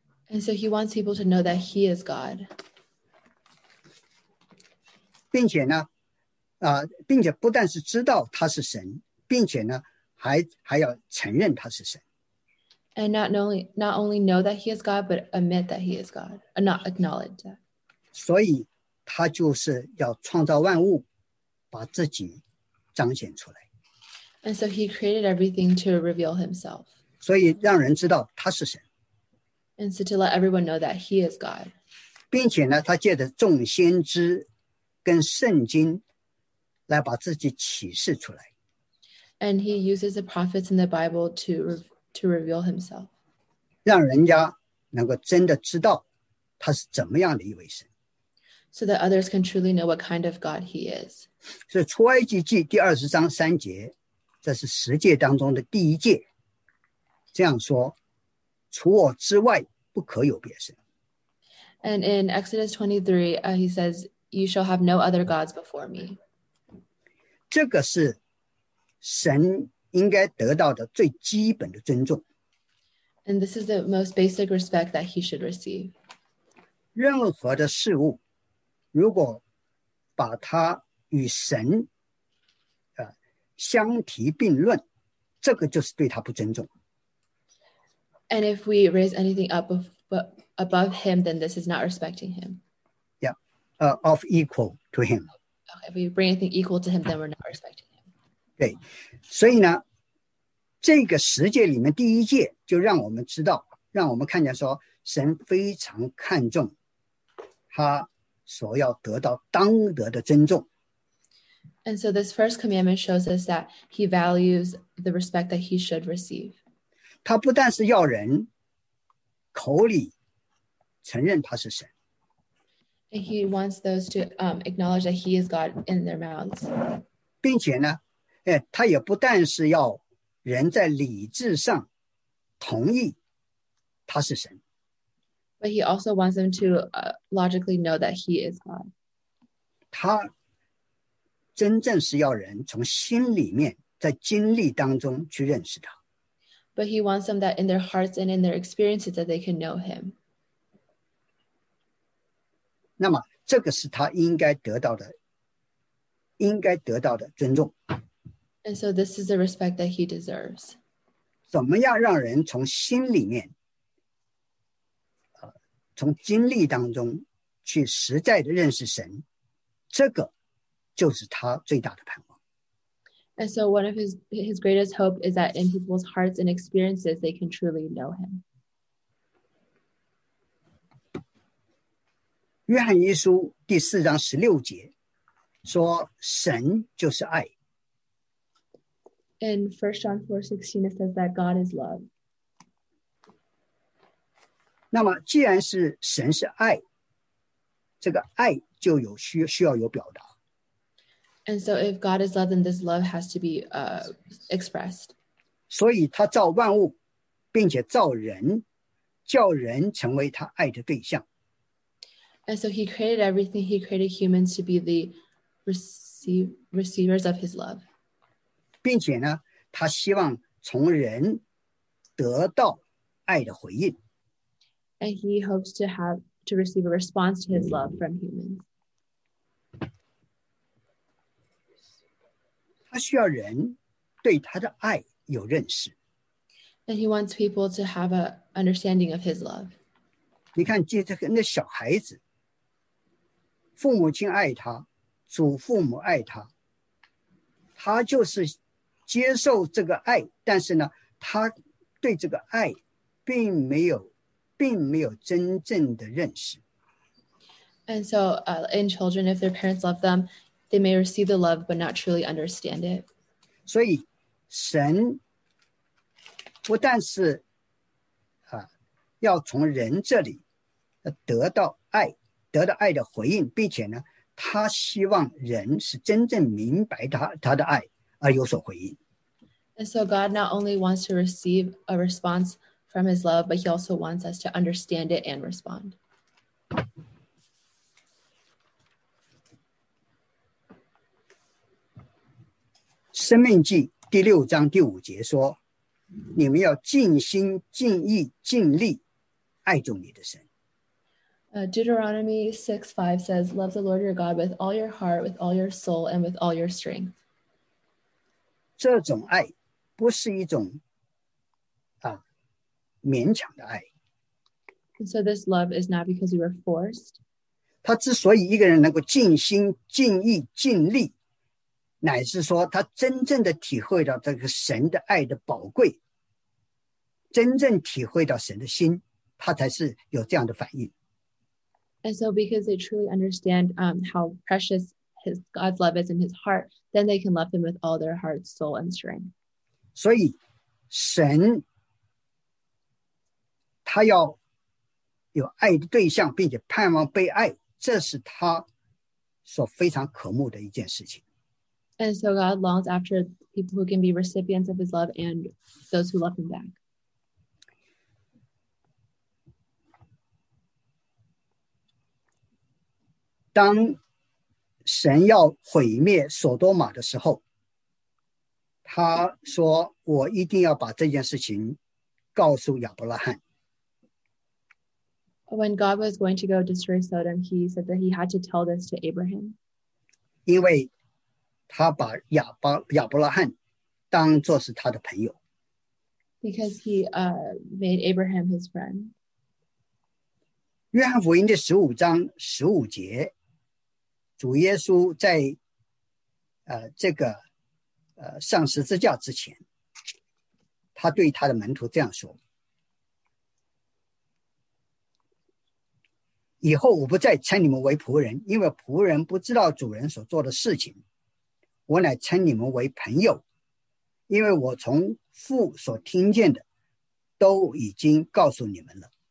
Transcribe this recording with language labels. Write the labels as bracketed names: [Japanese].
[English] And so he wants people to know that he is God. [Chinese] 并且呢并且不但是知道他是神，并且呢 还要承认他是神。 [English] And not only know that he is God, but admit that he is God, not acknowledge that. [Chinese] 所以他就是要创造万物，把自己彰显出来。 [English] And so he created everything to reveal himself. [Chinese] 所以让人知道他是神。 [English] And so to let everyone know that he is God. [Chinese] 并且呢，他借着众先知跟圣经来把自己启示出来。 [English] And he uses the prophets in the Bible to reveal himself. [Chinese] 让人家能够真的知道他是怎么样的一位神。 [English] So that others can truly know what kind of God he is. [Chinese] 是出埃及记第二十章三节，这是十诫当中的第一诫，这样说，除我之外不可有别神。 [English] And in Exodus 23, he says, you shall have no other gods before me. [Chinese] 这个是神应该得到的最基本的尊重。 [English] And this is the most basic respect that he should receive. [Chinese] 任何的事物，如果把它与神相提并论，这个就是对他不尊重。 [English] And if we raise anything up above him, then this is not respecting him. Yeah, of equal to him. Okay, if we bring anything equal to him, then we're not respecting him. [Chinese] 对，所以呢，这个十诫里面第一诫就让我们知道，让我们看见说，神非常看重他所要得到当得的尊重。 [English] And so this first commandment shows us that he values the respect that he should receive. [Chinese] 他不但是要人口里承认他是神。 [English] And he wants those to acknowledge that he is God in their mouths. [Chinese] 并且呢，他也不但是要人在理智上同意他是神。 [English] But he also wants them to logically know that he is God. [Chinese] 他真正是要人从心里面在经历当中去认识他。 [English] But he wants them that in their hearts and in their experiences that they can know him. [Chinese] 那么这个是他应该得到的，应该得到的尊重。 [English] And so this is the respect that he deserves. [Chinese] 怎么样让人从心里面，从经历当中去实在的认识神，这个就是他最大的盼望。 [English] And so one of his greatest hope is that in people's hearts and experiences they can truly know him. [Chinese] 约翰一书第四章十六节说神就是爱。 [English] In 1 John 4:16 it says that God is love. [Chinese] 那么既然是神是爱，这个爱就有需要有表达。 [English] And so if God is love, then this love has to be expressed. [Chinese] 所以他造万物，并且造人，叫人成为他爱的对象。 [English] And so he created everything, he created humans to be the receivers of his love. [Chinese] 并且呢，他希望从人得到爱的回应。 [English] And he hopes to have to receive a response to his love from humans. [Chinese] 他需要人对他的爱有认识。 [English] And he wants people to have an understanding of his love. [Chinese] 你看这个那小孩子，父母亲爱他，祖父母爱他，他就是接受这个爱，但是呢，他对这个爱并没有真正的认识。 [English] And so, in children, if their parents love them, they may receive the love but not truly understand it. [Chinese] 所以，神不但是要从人这里得到爱。得到爱的回应，并且呢，他希望人是真正明白他的爱而有所回应。 [English] And so God not only wants to receive a response from his love, but he also wants us to understand it and respond. [Chinese] 生命记第六章第五节说，你们要尽心尽意尽力爱主你的神。 [English] Deuteronomy 6:5 says, Love the Lord your God with all your heart, with all your soul, and with all your strength. [Chinese] 这种爱不是一种勉强的爱。 [English] And so this love is not because you were forced. [Chinese] 他之所以一个人能够尽心尽意尽力，乃是说他真正的体会到这个神的爱的宝贵，真正体会到神的心，他才是有这样的反应。 [English] And so because they truly understand how precious his God's love is in his heart, then they can love him with all their heart, soul, and strength. [Chinese] 所以神他要有爱的对象，并且盼望被爱，这是他所非常渴慕的一件事情。 [English] And so God longs after people who can be recipients of his love and those who love him back. [Chinese] 当神要毁灭索多玛的时候，他说我一定要把这件事情告诉亚伯拉罕。 [English] When God was going to go destroy Sodom, he said that he had to tell this to Abraham. [Chinese] 因为他把亚伯拉罕当作是他的朋友。 [English] Because he made Abraham his friend. [Chinese] 约翰福音的十五章十五节，主耶稣在这个上十字架之前，他对他的门徒这样说，以后我不再称你们为仆人，因为仆人不知道主人所做的事情，我乃称你们为朋友，因为我从父所听见的都已经告诉你们了。